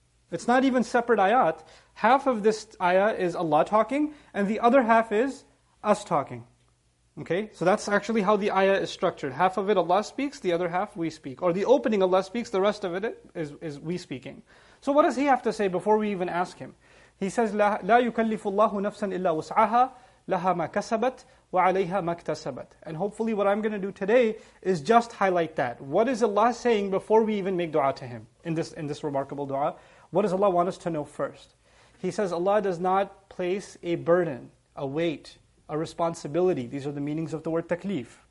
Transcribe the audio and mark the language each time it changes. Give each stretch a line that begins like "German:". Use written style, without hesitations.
English: It's not even separate ayat. Half of this ayah is Allah talking, and the other half is us talking. Okay, so that's actually how the ayah is structured. Half of it Allah speaks, the other half we speak. Or the opening Allah speaks, the rest of it is we speaking. So what does He have to say before we even ask Him? He says,
Arabic: لا يكلف الله نفسا إلا وسعها لها ما كسبت وعليها ما اكتسبت.
English: And hopefully what I'm going to do today is just highlight that. What is Allah saying before we even make dua to Him in this remarkable dua? What does Allah want us to know first? He says Allah does not place a burden, a weight, a responsibility. These are the meanings of the word taklif.